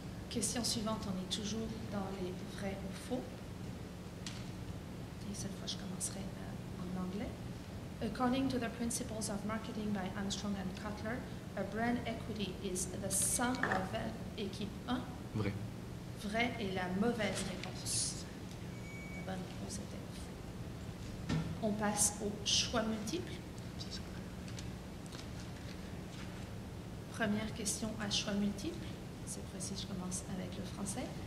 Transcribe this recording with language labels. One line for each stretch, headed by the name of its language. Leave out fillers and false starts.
French: Question suivante, on est toujours dans les vrais ou faux. Et cette fois, je commencerai en anglais.
English: According to the principles of marketing by Armstrong and Cutler, a brand equity is the sum of
French: équipe 1. Vrai. Vrai est la mauvaise réponse. La bonne réponse était faux. on passe au choix multiple. Première question à choix multiple. C'est précis, je commence avec le français.